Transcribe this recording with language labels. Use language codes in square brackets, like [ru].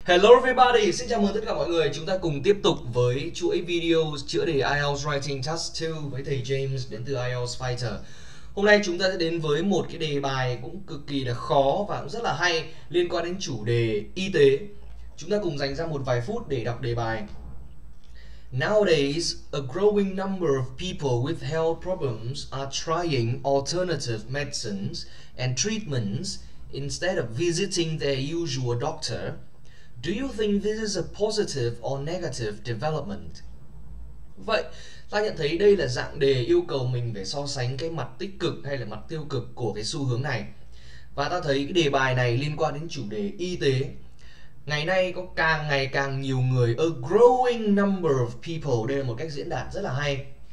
[en] Hello everybody, [vi] xin chào mừng tất cả mọi người. Chúng ta cùng tiếp tục với chuỗi video chữa đề IELTS Writing Task 2 với thầy James đến từ IELTS Fighter. Hôm nay chúng ta sẽ đến với một cái đề bài cũng cực kỳ là khó và cũng rất là hay liên quan đến chủ đề y tế. Chúng ta cùng dành ra một vài phút để đọc đề bài. [en] Nowadays, a growing number of people with health problems are trying alternative medicines and treatments instead of visiting their usual doctor. Do you think this is a positive or negative development? [vi] Vậy, ta nhận thấy đây là dạng đề yêu cầu mình phải so sánh cái mặt tích cực hay là mặt tiêu cực của cái xu hướng này. Và ta thấy cái đề bài này liên quan đến chủ đề y tế. Ngày nay có càng ngày càng nhiều người, [en] a growing number of people, [vi] đây là một cách diễn đạt rất là hay.